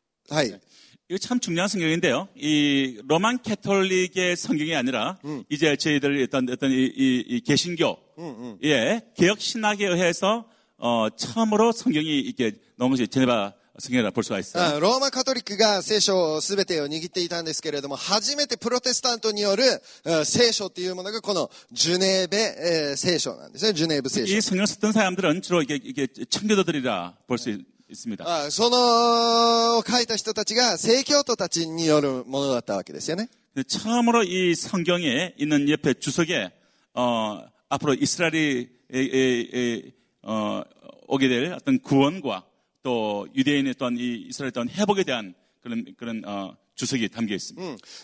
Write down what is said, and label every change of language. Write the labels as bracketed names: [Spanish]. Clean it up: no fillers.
[Korean] 네. 이거 참 중요한 성경인데요. 이 로만 캐톨릭의 성경이 아니라, 이제 저희들 어떤 이 개신교. 예, 개혁신학에 의해서, 처음으로 성경이 이렇게 넘어지, 제네바 성경이라 볼 수가 있어요. [Japanese] 로마 캐톨릭이 聖書を全てを握っていたんですけれども初めてプロテスタントによる聖書というものがこのジュネーベ聖書なんですね。ジュネーブ聖書. [Korean] 이 성경 쓰던 사람들은 주로 이게 청교도들이라 볼 수 있습니다. [Japanese] その書いた人たちが聖教徒たちによるものだったわけですよね. [Korean] 처음으로 이 성경에 있는 옆에 주석에 앞으로 이스라엘이 오게 될 어떤 구원과 또 유대인의 또한 이 이스라엘 또한 회복에 대한 그런 주석이 담겨 있습니다.